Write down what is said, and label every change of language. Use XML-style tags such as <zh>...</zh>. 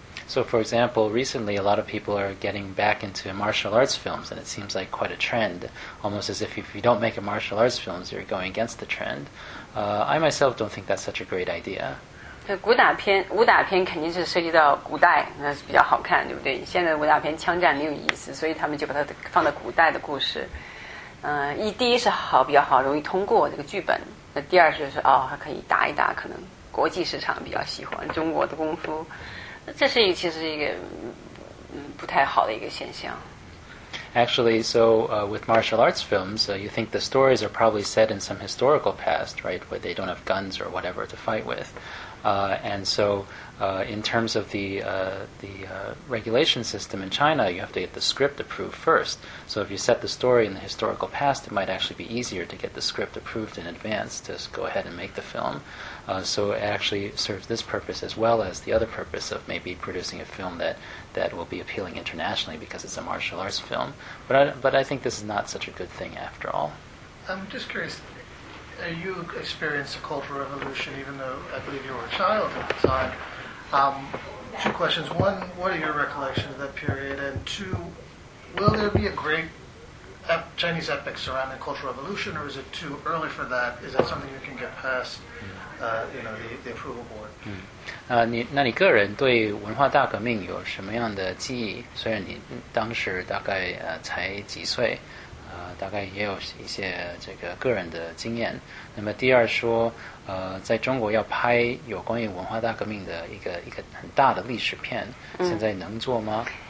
<en>So, for example, recently a lot of people are getting back into martial arts films, and it seems like quite a trend, almost as if you don't make a martial arts films, you're going against the trend. I myself don't think that's such a great idea.</en> <zh>武打片肯定是涉及到古代，那是比较好看，对不对？现在武打片枪战没有意思，所以他们就把它放到古代的故事。第一是好，比较好，容易通过这个剧本。那第二就是还可以打一打，可能国际市场比较喜欢中国的功夫。这是一个其实一个不太好的一个现象。</zh> <en>Actually, so with martial arts films, you think the stories are probably set in some historical past, right, where they don't have guns or whatever to fight with. And so in terms of the regulation system in China, you have to get the script approved first. So if you set the story in the historical past, it might actually be easier to get the script approved in advance to go ahead and make the film. So it actually serves this purpose as well as the other purpose of maybe producing a film that will be appealing internationally because it's a martial arts film. But I think this is not such a good thing after all. I'm just curious, you experienced a cultural revolution even though I believe you were a child at the time. Two questions. One, what are your recollections of that period? And two, will there be a great Chinese epic surrounding Cultural Revolution, or is it too early for that? Is that something you can get past the approval board? Mm.</en> <zh>那你个人对文化大革命有什么样的记忆? 虽然你当时大概才几岁, 大概也有一些这个个人的经验。那么第二说, 在中国要拍有关于文化大革命的一个很大的历史片, 现在能做吗?</zh>